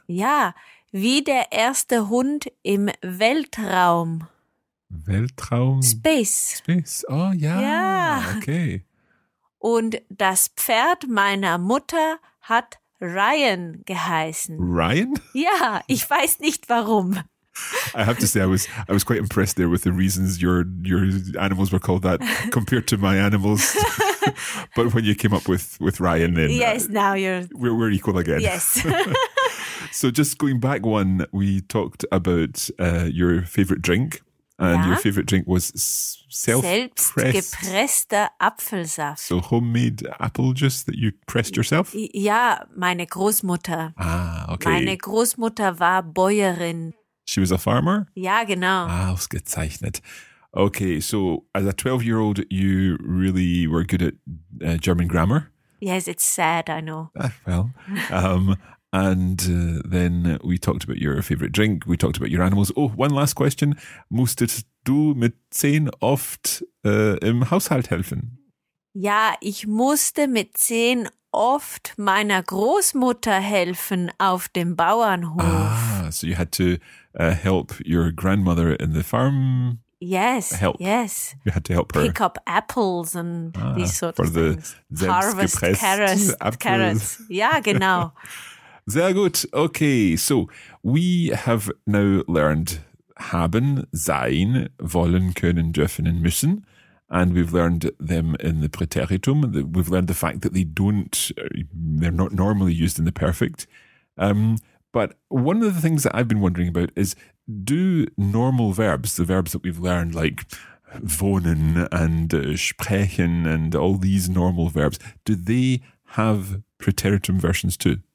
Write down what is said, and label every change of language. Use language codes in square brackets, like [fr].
[de] Ja, wie der erste Hund im Weltraum. Weltraum? [en] Space. Space, oh ja. [de] Ja. Okay. Und das Pferd meiner Mutter hat Ryan geheißen. Ryan? Ja, ich weiß nicht warum. [en] I have to say, I was quite impressed there with the reasons your animals were called that compared to my animals. But when you came up with Ryan, then yes, now you're we're equal again. Yes. So just going back one, we talked about your favorite drink, and your favorite drink was [de] selbstgepresster Apfelsaft. [en] So homemade apple juice that you pressed yourself? [de] Ja, meine Großmutter. [en] Ah, okay. [de] Meine Großmutter war Bäuerin. [en] She was a farmer? [de] Ja, genau. Ah, ausgezeichnet. [en] Okay, so as a 12-year-old, you really were good at German grammar? Yes, it's sad, I know. Ah, well, and then we talked about your favorite drink. We talked about your animals. Oh, one last question. [de] Musstest du mit 10 oft im Haushalt helfen? Ja, ich musste mit 10 oft meiner Großmutter helfen auf dem Bauernhof. [en] Ah, so you had to help your grandmother in the farm? Yes, help. Yes. You had to help her. Pick up apples and these sorts for of the things. Harvest carrots. Carrots. [de] Ja, genau. Sehr gut. [en] Okay, so we have now learned haben, sein, wollen, können, dürfen und müssen. And we've learned them in the preteritum. We've learned the fact that they're not normally used in the perfect. But one of the things that I've been wondering about is, do normal verbs, the verbs that we've learned like wohnen and sprechen and all these normal verbs, do they have preteritum versions too?